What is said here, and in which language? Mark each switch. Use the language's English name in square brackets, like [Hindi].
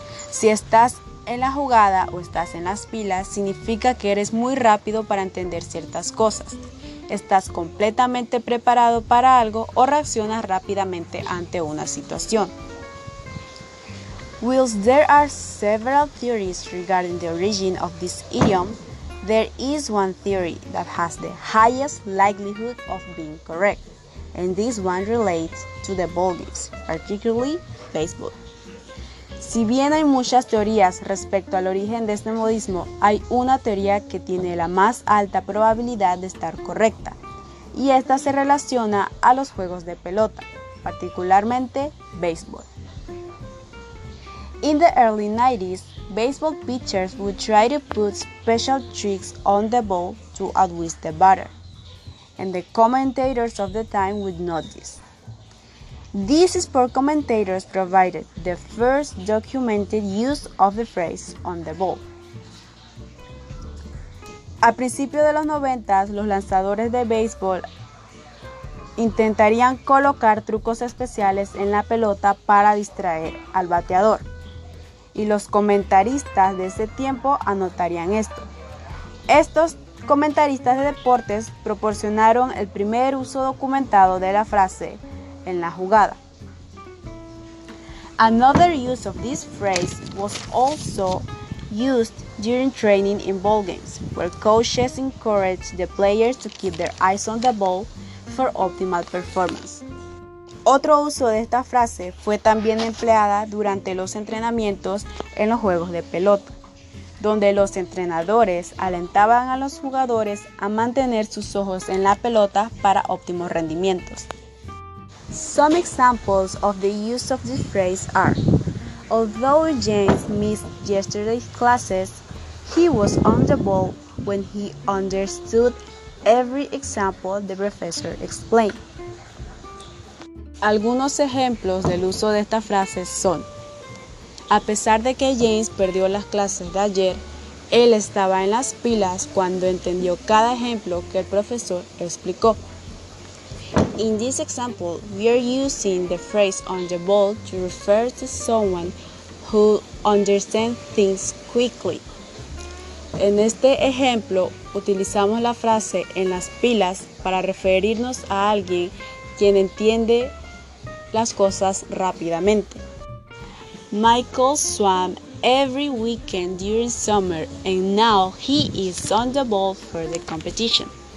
[Spanish] Si estás en la jugada o estás en las pilas, significa que eres muy rápido para entender ciertas cosas. Estás completamente preparado para algo o reaccionas rápidamente ante una situación. [English] Whilst there are several theories regarding the origin of this idiom, there is one theory that has the highest likelihood of being correct, and this one relates to the ball games, particularly baseball. [Spanish] Si bien hay muchas teorías respecto al origen de este modismo, hay una teoría que tiene la más alta probabilidad de estar correcta, y esta se relaciona a los juegos de pelota, particularmente baseball. [English] In the early 90s, baseball pitchers would try to put special tricks on the ball to outwit the batter, and the commentators of the time would notice. These sport commentators provided the first documented use of the phrase on the ball. [Spanish] A principios de los 90s, los lanzadores de béisbol intentarían colocar trucos especiales en la pelota para distraer al bateador. Y los comentaristas de ese tiempo anotarían esto. Estos comentaristas de deportes proporcionaron el primer uso documentado de la frase en la jugada. [English] Another use of this phrase was also used during training in ball games, where coaches encouraged the players to keep their eyes on the ball for optimal performance. [Spanish] Otro uso de esta frase fue también empleada durante los entrenamientos en los juegos de pelota, donde los entrenadores alentaban a los jugadores a mantener sus ojos en la pelota para óptimos rendimientos. [English] Some examples of the use of this phrase are, although James missed yesterday's classes, he was on the ball when he understood every example the professor explained. [Spanish] Algunos ejemplos del uso de esta frase son: a pesar de que James perdió las clases de ayer, él estaba en las pilas cuando entendió cada ejemplo que el profesor explicó. [English] In this example, we are using the phrase on the ball to refer to someone who understands things quickly. [Spanish] En este ejemplo, utilizamos la frase en las pilas para referirnos a alguien quien entiende las cosas rápidamente. [English] Michael swam every weekend during summer and now he is on the ball for the competition.